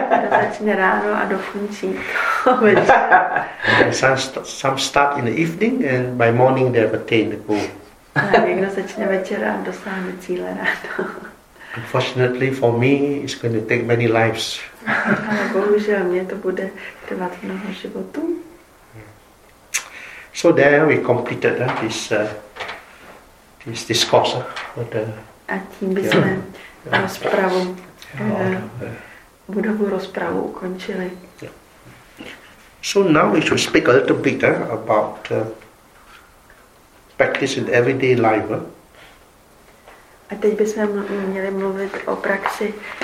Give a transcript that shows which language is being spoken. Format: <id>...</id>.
<cs>Začne ráno a dokončí večer.</cs> <en>Some start in the evening and by morning they have attained the goal.</en> <cs>Někdo začne večer a dosáhne cíle ráno.</cs> <en>Unfortunately for me, it's going to take many lives.</en> <cs>Bohužel mě to bude trvat mnoho životů.</cs> <en>So there we completed this discourse.</en> <cs>A tím bychom rozpravu. Budovu rozpravu ukončili. Yeah.</cs> <en>So now we should speak a little bit about practice in everyday life.</en> <cs>A teď bychom měli mluvit o praxi.</cs>